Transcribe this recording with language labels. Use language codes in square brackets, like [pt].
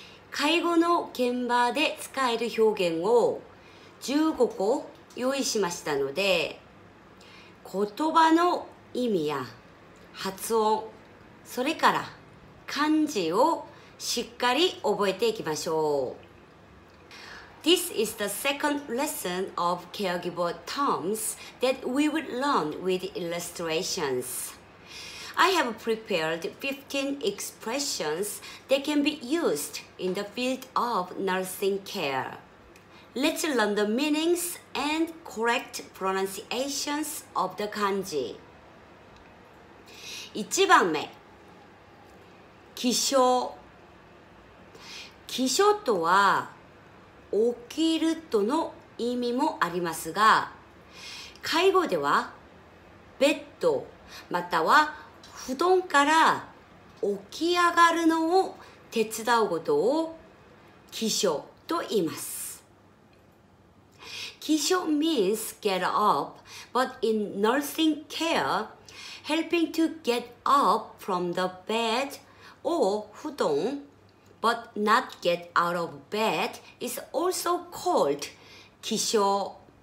[ja] 介護の現場で使える表現を15個用意しましたので、言葉の意味や発音、それから漢字をしっかり覚えていきましょう。 [en] This is the second lesson of caregiver terms that we will learn with illustrations. I have prepared 15 expressions that can be used in the field of nursing care. Let's learn the meanings and correct pronunciations of the kanji. [ja] 1番目、起床。起床とは起きるとの意味もありますが、介護ではベッドまたは布団から起き上がるのを手伝うことを起床と言います。 [en] 起床 means get up, but in nursing care, helping to get up from the bed or 布団but not get out of bed is also called 起床。